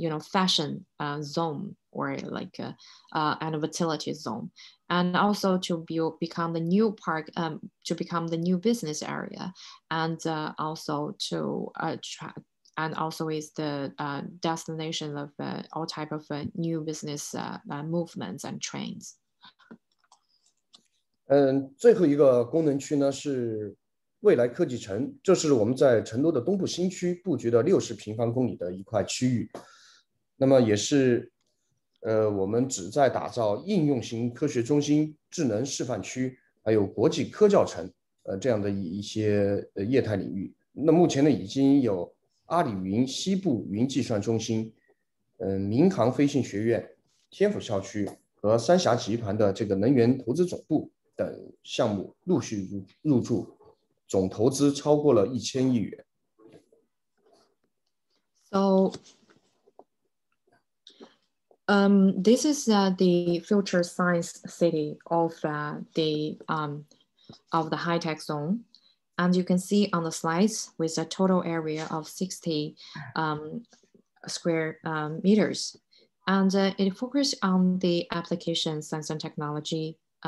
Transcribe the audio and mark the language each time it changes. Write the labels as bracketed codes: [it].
[en] fashion zone or like an utility zone, and also to become the new park, to become the new business area, and also to attract, and also is the destination of all type of new business movements and trends. [zh] 最后一个功能区呢是未来科技城，这是我们在成都的东部新区布局的60平方公里的一块区域，那么也是我们旨在打造应用型科学中心、智能示范区还有国际科教城这样的一些业态领域。那目前呢已经有阿里云西部云计算中心、民航飞行学院、天府校区和三峡集团的这个能源投资总部等项目陆续入驻，总投资超过了1000亿元。 [en] So, this is the future science city of the high tech zone, and you can see on the slides with a total area of 60 square meters, and it focuses on the application science and technology.